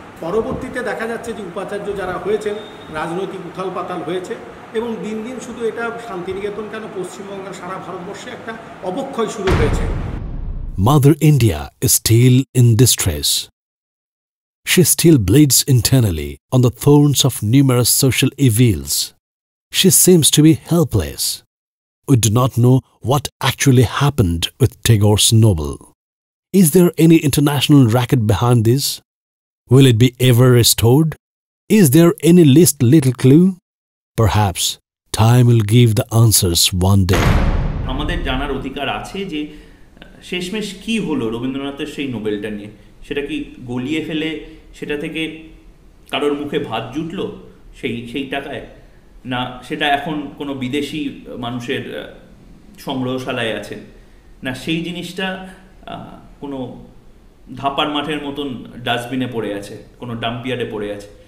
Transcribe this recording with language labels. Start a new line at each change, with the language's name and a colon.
Bangla: পরবর্তীতে দেখা যাচ্ছে যে উপাচার্য যারা হয়েছেন রাজনৈতিক উথাল পাতাল হয়েছে এবং দিন দিন শুধু এটা শান্তিনিকেতন কেন, পশ্চিমবঙ্গের সারা ভারতবর্ষে একটা অবক্ষয় শুরু হয়েছে।
English: Mother India is still in distress, she still bleeds internally on the thorns of numerous social evils, she seems to be helpless. We do not know what actually happened with Tagore's Nobel. Is there any international racket behind this? Will it be ever restored? Is there any least little clue? Perhaps time will give the answers one day.
Bangla: আমাদের জানার অধিকার আছে যে শেষমেশ কি হলো রবীন্দ্রনাথের সেই নোবেলটা নিয়ে, সেটা কি গলিয়ে ফেলে সেটা থেকে কারোর মুখে ভাত জুটলো সেই টাকায়, না সেটা এখন কোনো বিদেশি মানুষের সংগ্রহশালায় আছে, না সেই জিনিসটা কোনো ধাপার মাঠের মতন ডাস্টবিনে পড়ে আছে, কোনো ডাম্পিয়ারে পড়ে আছে।